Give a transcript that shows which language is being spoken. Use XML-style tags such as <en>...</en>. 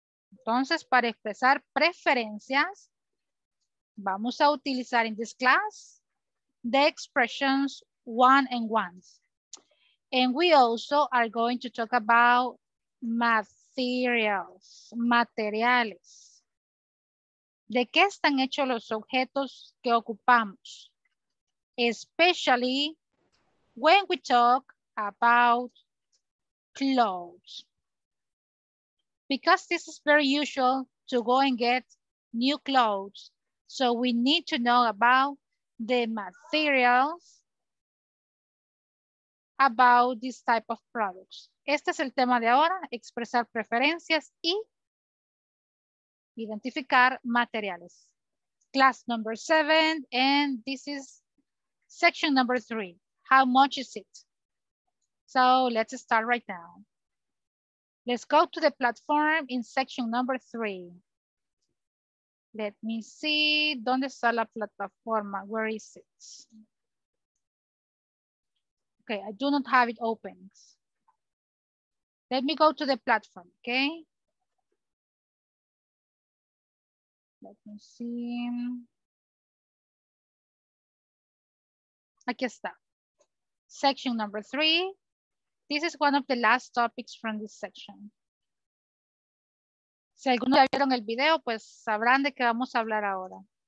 <es>Entonces, para expresar preferencias, vamos a utilizar</es> <en>in this class the expressions one and ones. And we also are going to talk about materials, materiales.</en> <es>¿De qué están hechos los objetos que ocupamos?</es> <en>Especially when we talk about clothes. Because this is very usual to go and get new clothes. So we need to know about the materials about this type of products.</en> <es>Este es el tema de ahora, expresar preferencias y identificar materiales.</es> <en>Class number 7, and this is section number 3. How much is it? So let's start right now. Let's go to the platform in section number 3. Let me see,</en> <es>¿dónde está la plataforma?</es> <en>Where is it? Okay, I do not have it open. Let me go to the platform, okay? Let me see.</en> <es>Aquí está.</es> <en>Section number 3. This is one of the last topics from this section.</en> <es>Si alguno ya vieron el video, pues sabrán de qué vamos a hablar ahora.</es>